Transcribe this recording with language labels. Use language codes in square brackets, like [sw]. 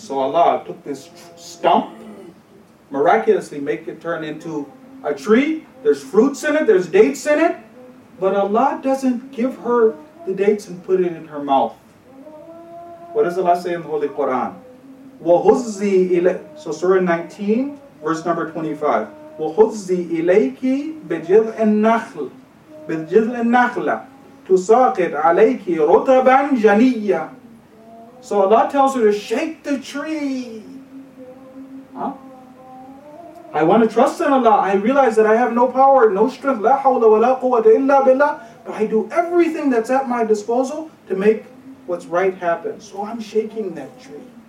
[en] So Allah took this stump, miraculously make it turn into a tree. There's fruits in it, there's dates in it. But Allah doesn't give her the dates and put it in her mouth. What does Allah say in the Holy Quran? [ar] وَهُزِّي إِلَيْكِ [en] So Surah 19, verse number 25. [ar] وَهُزِّي إِلَيْكِ بِجِذْءِ النَّخْلِ بِجِذْءِ النَّخْلَ تُسَاقِدْ عَلَيْكِ رُتَبًا جَنِيًّا [en] So Allah tells her to shake the tree. Huh? I want to trust in Allah. I realize that I have no power, no strength. [ar] لا حول ولا قوة إلا بالله. [en] But I do everything that's at my disposal to make what's right happen. So I'm shaking that tree.